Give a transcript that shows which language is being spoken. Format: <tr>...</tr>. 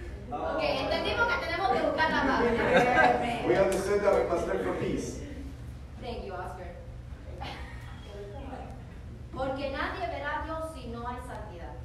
<es>Ok, entendimos que tenemos que buscar la paz.</es> <en>We understood that we must look for peace. Thank you, Oscar.</en> <es>Porque nadie verá a Dios si no hay santidad.</es>